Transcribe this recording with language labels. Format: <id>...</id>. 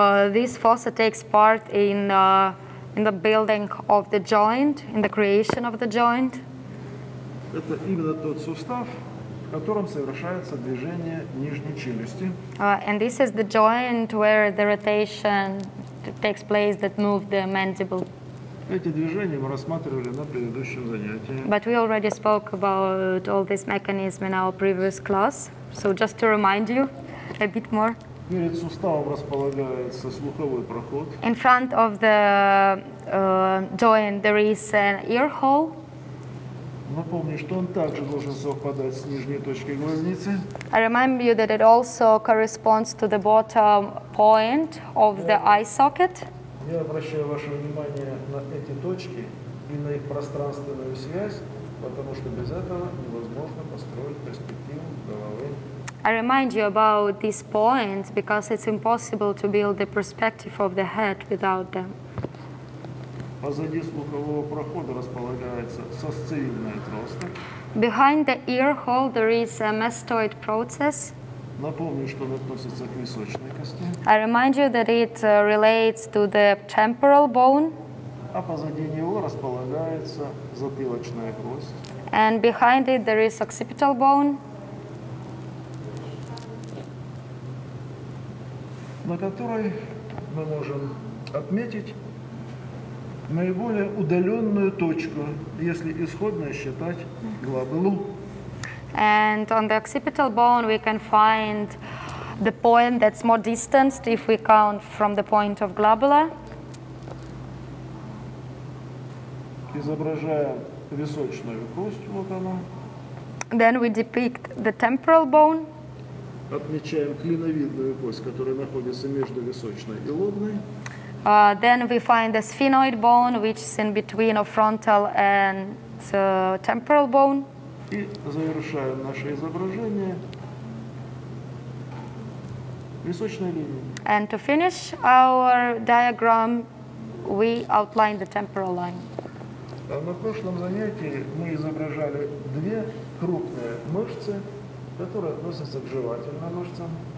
<en>This fossa takes part in the building of the joint, in the creation of the joint.</en> <ru>Это именно тот сустав, в котором совершается движение нижней челюсти.</ru> <en>And this is the joint where the rotation takes place that move the mandible.</en> <ru>Эти движения мы рассматривали на предыдущем занятии.</ru> <en>But we already spoke about all this mechanism in our previous class. So just to remind you a bit more.</en> <ru>Перед суставом располагается слуховой проход.</ru> <en>In front of the joint there is an ear hole.</en> <ru>Напомню, что он также должен совпадать с нижней точкой глазницы.</ru> <en>I remind you that it also corresponds to the bottom point of the eye socket.</en> <ru>Я обращаю ваше внимание на эти точки и на их пространственную связь, потому что без этого невозможно построить перспективу головы.</ru> <en>I remind you about these points because it's impossible to build the perspective of the head without them.</en> <ru>Позади слухового прохода располагается сосцевидный отросток.</ru> <en>Behind the ear hole there is a mastoid process.</en> <ru>Напомню, что он относится к височной кости.</ru> <en>I remind you that it relates to the temporal bone.</en> <ru>А позади него располагается затылочная кость.</ru> <en>And behind it there is occipital bone.</en> <ru>На которой мы можем отметить наиболее удаленную точку, если исходное считать глобулу.</ru> <en>And on the occipital bone we can find the point that's more distanced if we count from the point of globula.</en> <ru>Изображаем височную кость, вот она.</ru> <en>Then we depict the temporal bone.</en> <ru>Отмечаем клиновидную кость, которая находится между височной и лобной.</ru> <en>Then we find the sphenoid bone, which is in between of frontal and temporal bone.</en> <ru>И завершаем наше изображение височной линией.</ru> <en>And to finish our diagram, we outline the temporal line.</en> <ru>На прошлом занятии мы изображали две крупные мышцы, которые относятся к жевательным мышцам.</ru>